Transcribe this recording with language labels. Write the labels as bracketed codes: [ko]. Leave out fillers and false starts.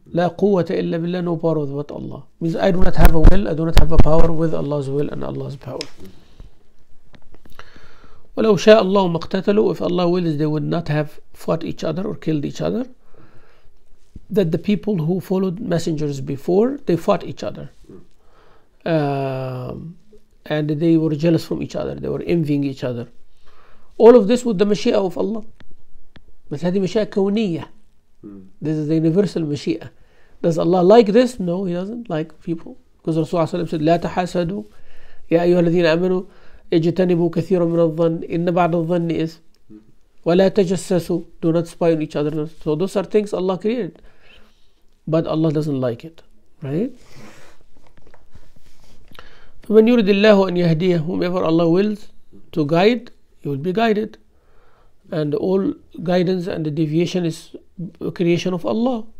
[ar] لا قوة إلا بالله, [en] no power with what Allah. Means I do not have a will, I do not have a power with Allah's will and Allah's power. [ar] ولو شاء الله ما اقتتلوا, [en] if Allah wills, they would not have fought each other or killed each other. That the people who followed messengers before, they fought each other. And they were jealous from each other, they were envying each other. All of this with the mashi'ah of Allah. [ar] بس هذه مشيئة كونية. [en] This is the universal mashi'ah. Does Allah like this? No, He doesn't like people. Because [ar] Rasulullah صلى الله عليه وسلم [en] said, [ar] لا تحاسدوا يا أيها الذين آمنوا اجتنبوا كثيرا من الظن إن بعض الظن إذ ولا تجسسوا. [en] Do not spy on each other. So those are things Allah created, but Allah doesn't like it, right? [ar] فمن يرد الله أن يهديه, [en] whomever Allah wills to guide, he will be guided. And all guidance and the deviation is a creation of Allah.